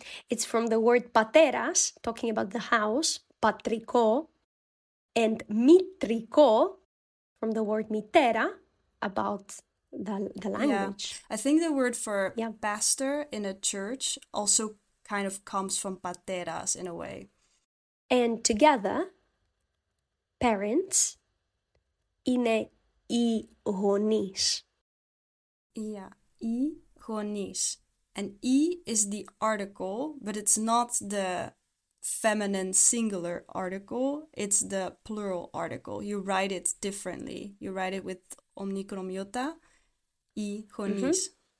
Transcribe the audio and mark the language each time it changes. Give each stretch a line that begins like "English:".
English: It's from the word pateras, talking about the house, patriko, and mitriko, from the word mitera, about the language. Yeah. I think the word for pastor in a church also kind of comes from pateras in a way. And together... Parents,
Greek: είναι οι γονείς.
English: Yeah,
Greek: οι γονείς.
English: And η is the article, but it's not the feminine singular article. It's the plural article. You write it differently. You write it with omnicron iota,
Greek: οι γονείς.